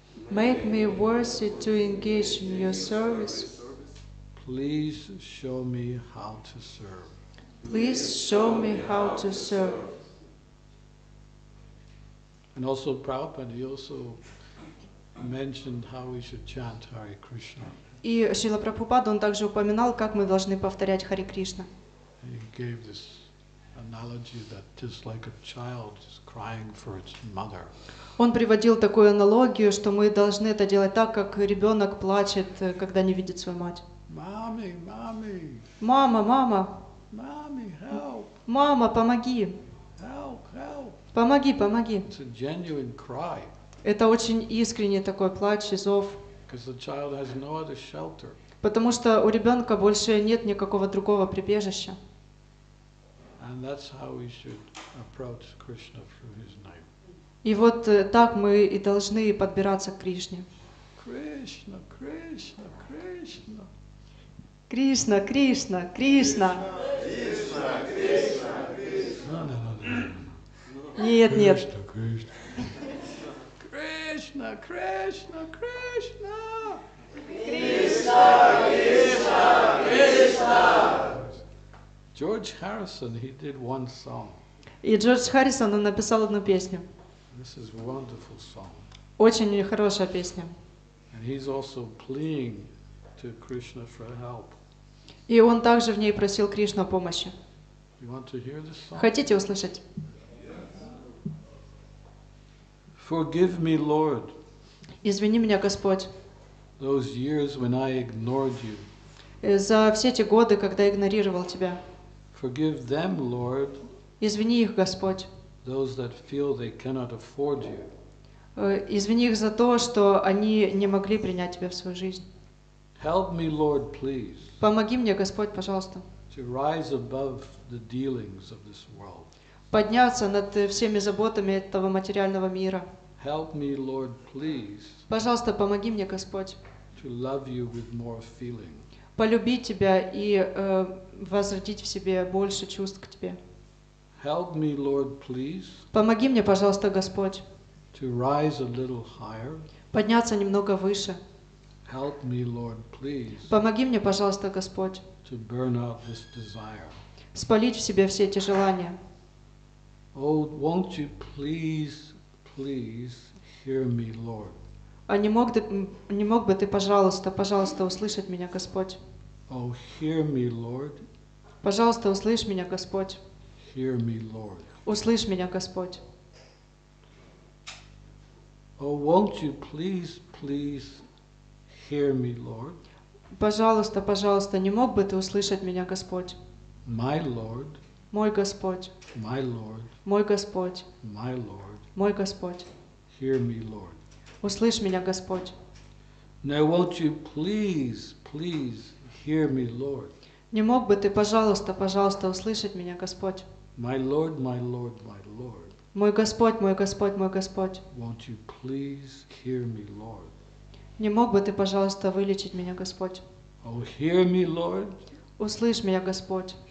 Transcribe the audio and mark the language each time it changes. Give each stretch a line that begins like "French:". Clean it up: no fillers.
English: Make me worthy to engage in your service. Please show me how to serve. Please show me how to serve. And also Prabhupada, he also mentioned how we should chant Hare Krishna.
Russian: И Шрила Прабхупада, он также упоминал, как мы должны повторять Харе Кришна.
English: He gave this analogy that just like a child is crying for its mother.
Russian: Он приводил такую аналогию, что мы должны это делать так, как ребенок плачет, когда не видит свою мать.
English: Mommy, mommy.
Russian: Мама, мама.
English: Mommy, help.
Russian: Мама, помоги.
English: Help, help.
Russian: Помоги, помоги.
English: It's a genuine cry.
Russian: Это очень искренний такой плач и зов.
English: Because the child has no other shelter.
Russian: Потому что у ребенка больше нет никакого другого прибежища.
English: And that's how we should approach Krishna through his name.
Russian: И вот так мы и должны подбираться к Кришне. Кришна, Кришна, Кришна. Кришна, Кришна, Кришна. Кришна, Кришна, Кришна. Нет, нет. Кришна, Кришна. Кришна, Кришна, Кришна. Кришна, Кришна, Кришна.
English: George Harrison, he did one song.
Russian: И Джордж Харрисон, он написал одну песню.
English: This is a wonderful song.
Russian: Очень хорошая песня.
English: And he's also pleading to Krishna for help.
Russian: И он также в ней просил Кришну о помощи.
English: You want to hear this song?
Russian: Хотите услышать?
English: Yes. Forgive me, Lord.
Russian: Извини меня, Господь.
English: Those years when I ignored you.
Russian: За все те годы, когда игнорировал тебя.
English: Forgive them, Lord.
Russian: Извини их, Господь.
English: Those that feel they cannot afford you.
Russian: Извини их за то, что они не могли принять тебя в свою жизнь.
English: Help me, Lord, please.
Russian: Помоги мне, Господь, пожалуйста.
English: To rise above the dealings of this world.
Russian: Подняться над всеми заботами этого материального мира.
English: Help me, Lord, please.
Russian: Пожалуйста, помоги мне, Господь.
English: To love you with more feeling.
Russian: Полюбить тебя и возродить в себе больше чувств к тебе.
English: Help me, Lord, please.
Russian: Помоги мне, пожалуйста, Господь.
English: To rise a little higher.
Russian: Подняться немного выше.
English: Help me, Lord, please.
Russian: Помоги мне, пожалуйста, Господь.
English: To burn out this desire.
Russian: Спалить в себе все эти желания.
English: Oh, won't you please, please hear me, Lord?
Russian: А не мог бы ты, пожалуйста, услышать меня, Господь?
English: Oh, hear me, Lord.
Russian: Пожалуйста, услышь меня, Господь.
English: Hear me, Lord.
Russian: Услышь меня, Господь.
English: Oh, won't you please, please hear me, Lord?
Russian: Пожалуйста, пожалуйста, не мог бы ты услышать меня, Господь?
English: My Lord.
Russian: Мой Господь.
English: My Lord.
Russian: Мой Господь.
English: My Lord.
Russian: Мой Господь.
English: Hear me, Lord.
Russian: Услышь меня, Господь.
English: Now, won't you please, please hear me, Lord?
Russian: Не мог бы ты, пожалуйста, пожалуйста, услышать меня, Господь?
English: My Lord, my Lord, my Lord.
Russian: Мой Господь, мой Господь, мой Господь.
English: Won't you please hear me, Lord?
Russian: Не мог бы ты, пожалуйста, вылечить меня, Господь?
English: Oh, hear me, Lord.
Russian: Услышь меня, Господь.